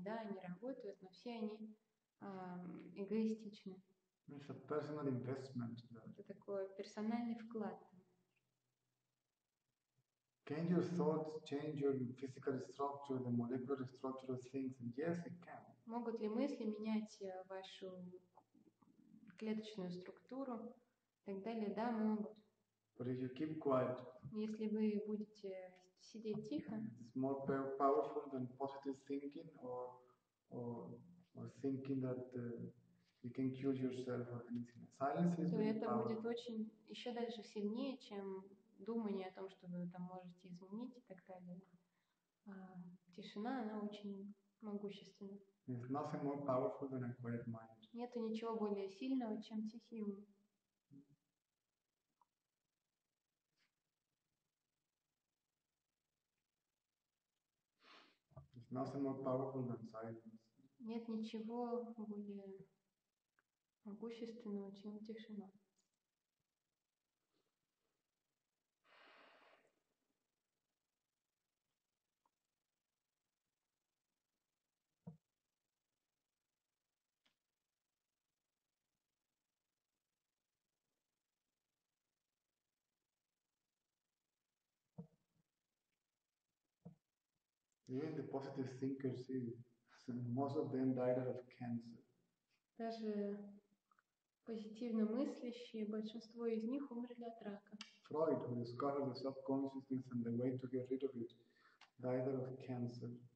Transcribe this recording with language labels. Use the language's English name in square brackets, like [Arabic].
[Russian] Да, они работают, но все они эгоистичны. [English] It's a personal investment. [Russian] Это такой персональный вклад. [English] Can your thoughts change your physical structure, the molecular structure of things? And yes, it can. [Russian] Могут ли мысли менять вашу клеточную структуру и так далее? Да, могут. [English] But if you keep quiet, [Russian] если вы будете сидеть тихо, [English] it's more powerful than positive thinking or thinking that you can cure yourself or anything. Silence is powerful. [Russian] Это будет очень еще даже сильнее, чем думание о том, что вы там можете изменить и так далее. Тишина, она очень могущественна. [English] There's nothing more powerful than a quiet mind. [Russian] Нету ничего более сильного, чем тихий ум. [English] There's nothing more powerful than silence. [Russian] Нет ничего более могущественного, чем тишина. [English] Even the positive thinkers, most of them died of cancer. [Russian] Даже позитивно мыслящие, большинство из них умерли от рака. [English] Freud, who discovered the subconsciousness and the way to get rid of it, died of cancer.